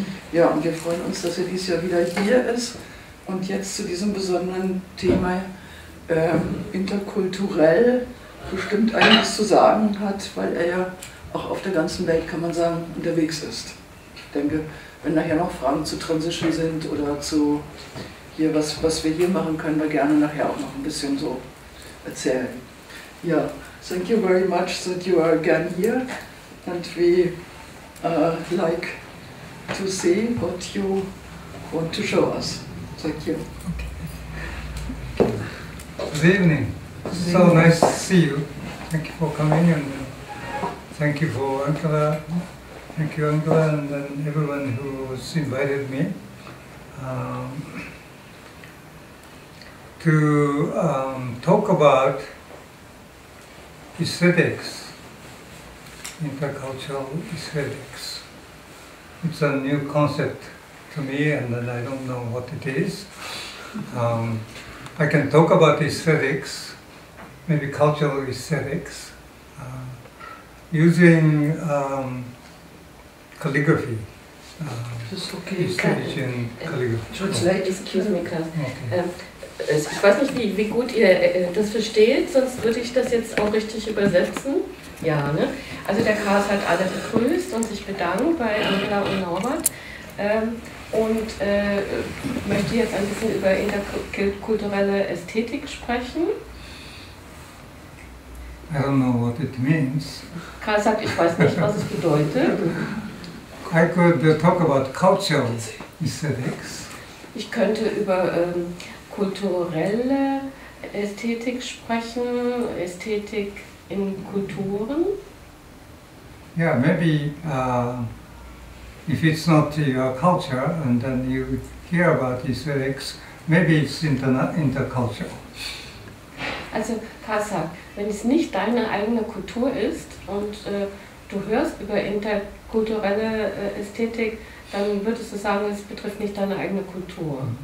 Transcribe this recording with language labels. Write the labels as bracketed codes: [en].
[de] Ja, und wir freuen uns, dass er dieses Jahr wieder hier ist und jetzt zu diesem besonderen Thema interkulturell bestimmt einiges zu sagen hat, weil er ja auch auf der ganzen Welt, kann man sagen, unterwegs ist. Ich denke, wenn nachher noch Fragen zu Transition sind oder zu hier, was wir hier machen, können wir gerne nachher auch noch ein bisschen so erzählen. [en] Ja, thank you very much that you are again here and we like to see what you want to show us. Thank you. Good evening. So nice to see you. Thank you for coming and thank you for Ankara. Thank you Ankara and then everyone who has invited me to talk about aesthetics, intercultural aesthetics. It's a new concept to me and then I don't know what it is. I can talk about aesthetics, maybe cultural aesthetics, using calligraphy. Just okay. Translate, excuse me, Klaus. [de] Okay. Ich weiß nicht, wie gut ihr das versteht, sonst würde ich das jetzt auch richtig übersetzen. Ja, ne? Also der Klaus hat alle begrüßt und sich bedankt bei Angela und Norbert. Und möchte jetzt ein bisschen über interkulturelle Ästhetik sprechen. [en] I don't know what it means. [de] Karl sagt, ich weiß nicht, was es bedeutet. [en] I could talk about cultural aesthetics. [de] Ich könnte über kulturelle Ästhetik sprechen, Ästhetik in Kulturen. [en] Yeah, maybe if it's not your culture and then you hear about aesthetics, maybe it's intercultural. [de] Also, Karl sagt, wenn es nicht deine eigene Kultur ist und du hörst über interkulturelle Ästhetik, dann würdest du sagen, es betrifft nicht deine eigene Kultur.